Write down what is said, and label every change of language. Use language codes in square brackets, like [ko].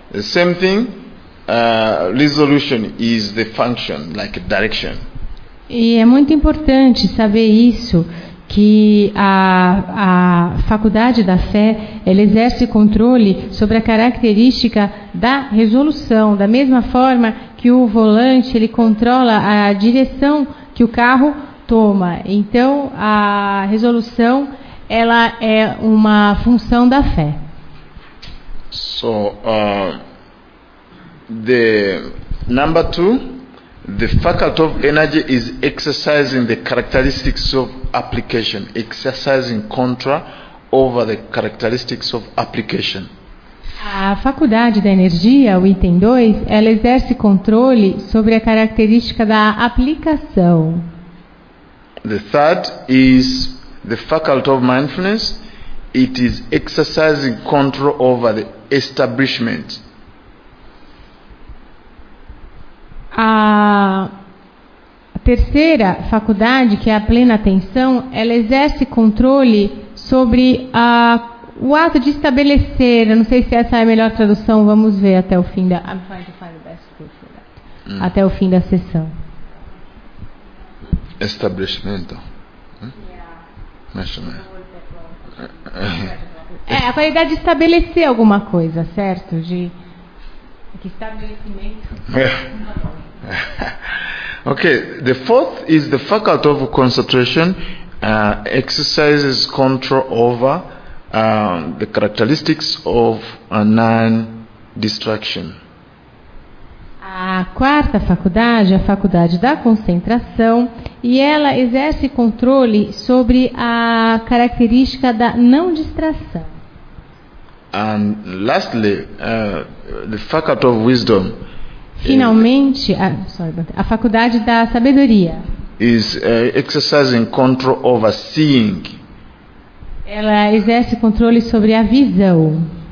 [en] The same thing, resolution is the function, like a direction. [pt] E é muito importante saber isso, que a faculdade da fé, ela exerce controle sobre a característica da resolução, da mesma forma que o volante, ele controla a direção que o carro toma. Então, a resolução, ela é uma função da fé. [en] So, the number two, the faculty of energy is exercising the characteristics of application, exercising control over the characteristics of application. [pt] A faculdade da energia, o item 2, ela exerce controle sobre a característica da aplicação. [en] The third is the faculty of mindfulness. It is exercising control over the establishment. [pt] A terceira faculdade, que é a plena atenção, ela exerce controle sobre o ato de estabelecer. Eu não sei se essa é a melhor tradução, vamos ver até o fim da... [en] I'm trying to find the best word for that. [pt] Até o fim da sessão. Estabelecimento. É, a qualidade de estabelecer alguma coisa, certo? De que estabelecimento... [en] Okay, the fourth is the faculty of concentration exercises control over the characteristics of a non-distraction. [pt] A quarta faculdade é a faculdade da concentração e ela exerce controle sobre a característica da não-distração. [en] And lastly, the faculty of wisdom. [pt] Finalmente, a faculdade da sabedoria. [en] Is exercising control over seeing. [pt] Ela exerce controle sobre a visão.